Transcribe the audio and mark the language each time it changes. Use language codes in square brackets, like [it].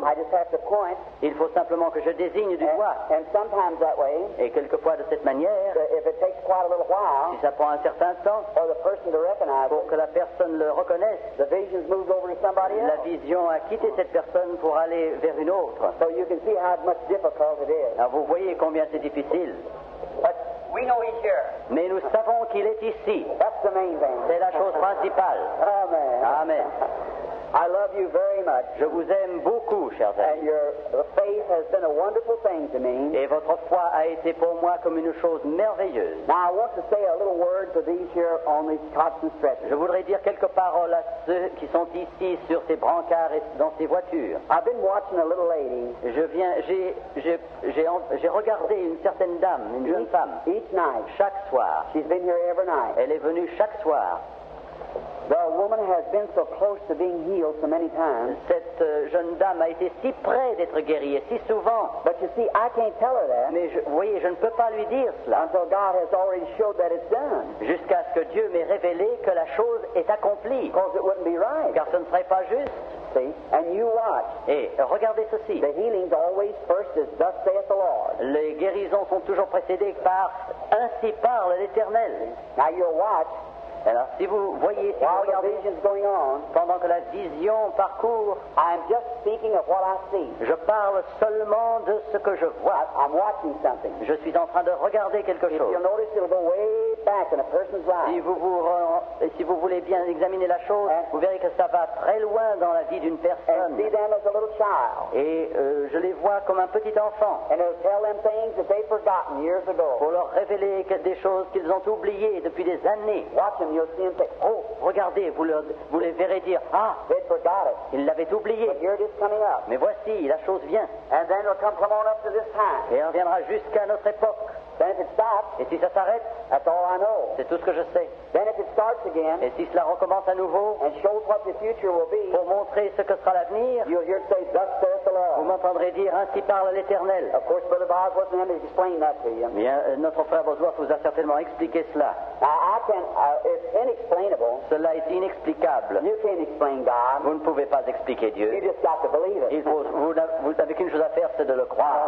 [en] I just have to point. [fr] Il faut simplement que je désigne du doigt. [en] And sometimes that way. [fr] Et quelquefois de cette manière. [en] If it takes quite a little while, [fr] si ça prend un certain temps, [en] for the person to recognize, [fr] pour que la personne le reconnaisse, [en] the vision's moved over to somebody else. [fr] La vision a quitté cette personne pour aller vers une autre. [en] So you can see how much difficult it is. [fr] Alors vous voyez combien c'est difficile. [en] But we know he's here. [fr] Mais nous savons qu'il est ici. [en] That's the main thing. [fr] C'est la chose principale. [en] Amen. [fr] Amen. [en] I love you very much. [fr] Je vous aime beaucoup, chers amis. [en] And your faith has been a wonderful thing to me. [fr] Et votre foi a été pour moi comme une chose merveilleuse. [en] Now I want to say a little word to these here on these cots and stretchers. [fr] Je voudrais dire quelques paroles à ceux qui sont ici sur ces brancards et dans ces voitures. [en] I've been watching a little lady. [fr] J'ai regardé une certaine dame, une jeune femme. [en] Each night. [fr] Chaque soir. [en] She's been here every night. [fr] Elle est venue chaque soir. [en] The woman has been so close to being healed so many times. [fr] Cette jeune dame a été si près d'être guérie si souvent. [en] But you see, I can't tell her that. [fr] Mais je ne peux pas lui dire cela. [en] Until God has already showed that it's done. [fr] Jusqu'à ce que Dieu m'ait révélé que la chose est accomplie. [en] Because it wouldn't be right. [fr] Car ce ne serait pas juste. [en] See? And you watch. [fr] Et regardez ceci. [en] The healings always first is thus saith the Lord. [fr] Les guérisons sont toujours précédées par ainsi parle l'Éternel. [en] Now you watch. [fr] Alors, si vous voyez, si [en] while [fr] vous regardez, [en] going on, [fr] pendant que la vision parcourt, [en] I'm just speaking of what I see. [fr] Je parle seulement de ce que je vois. [en] I'm watching something. [fr] Je suis en train de regarder quelque [en] if [fr] chose. [en] You'll notice, it'll go way back in a person's life. [fr] Si vous voulez bien examiner la chose, [en] and [fr] vous verrez que ça va très loin dans la vie d'une personne. [en] And see them as a little child. [fr] Et je les vois comme un petit enfant. [en] And it'll tell them things that they've forgotten years ago. [fr] Pour leur révéler des choses qu'ils ont oubliées depuis des années. [en] Watch them. You'll see him say, oh, [fr] regardez, vous les verrez dire, ah, [en] they'd forgot it. [fr] Ils l'avaient oublié. [en] But here it is coming up. [fr] Mais voici, la chose vient. [en] And then it'll come on up to this time. [fr] Et elle viendra jusqu'à notre époque. [en] Then if it stops, [fr] et si ça s'arrête, [en] that's all I know. [fr] C'est tout ce que je sais. [en] Then if it starts again, [fr] et si cela recommence à nouveau, [en] and shows what the future will be, [fr] pour montrer ce que sera l'avenir, [en] you'll hear say, thus saith the Lord. [fr] Vous m'entendrez dire, ainsi parle l'Éternel. [en] Of course, Brother Bosworth and him explained that to you. [fr] Bien, notre frère Bosworth vous a certainement expliqué cela. [en] It's inexplainable. [fr] Cela est inexplicable. [en] You can't explain God. [fr] Vous ne pouvez pas expliquer Dieu. [en] You just got to believe it. [fr] Vous n'avez qu'une chose à faire, c'est de le croire.